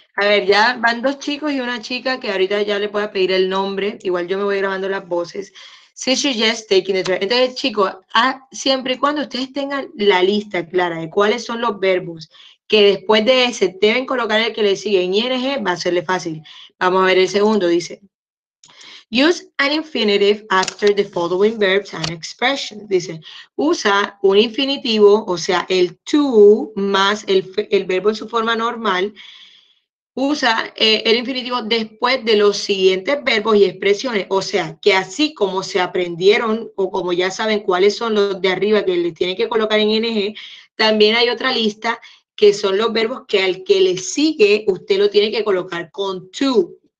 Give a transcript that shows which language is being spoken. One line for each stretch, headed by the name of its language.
Spanish: A ver, ya van dos chicos y una chica que ahorita ya le pueda pedir el nombre. Igual yo me voy grabando las voces.
English: She suggests taking the train.
Spanish: Entonces, chicos, siempre y cuando ustedes tengan la lista clara de cuáles son los verbos que después de ese deben colocar el que le sigue en ING, va a serle fácil. Vamos a ver el segundo, dice.
English: Use an infinitive after the following verbs and expressions.
Spanish: Dice, usa un infinitivo, o sea, el to más el verbo en su forma normal. Usa el infinitivo después de los siguientes verbos y expresiones. O sea, que así como se aprendieron, o como ya saben cuáles son los de arriba que les tienen que colocar en ING, también hay otra lista que son los verbos que al que le sigue, usted lo tiene que colocar con to.